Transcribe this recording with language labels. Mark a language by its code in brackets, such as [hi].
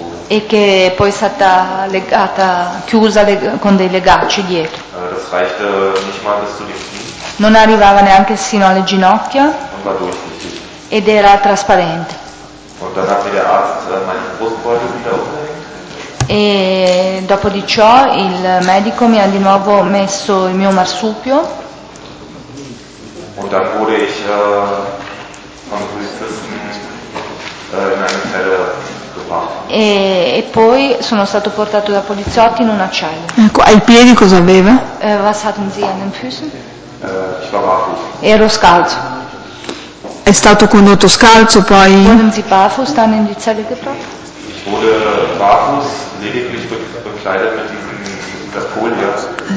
[it] E che poi è stata legata, chiusa con dei legacci dietro. [de] Das reichte nicht mal bis zu den Knien. [it] Non arrivava neanche sino alle ginocchia. [de] Und war durchsichtig. [it] Ed era trasparente. [de] Und dann hat der Arzt meine Brustbeutel wieder aufgehängt. [it] E dopo di ciò il medico mi ha di nuovo messo il mio marsupio. [de] Und dann wurde ich von Polizisten in eine Zelle. [it] E poi sono stato portato da poliziotti in una cella. Ecco, ai piedi cosa aveva? [de] Was hatten Sie an den Füßen? Ich war barfuß. [it] Ero scalzo. È stato condotto scalzo poi? [de] Wurden Sie barfuß dann in die Zelle gebracht? Ich wurde barfuß lediglich bekleidet mit dieser Folie.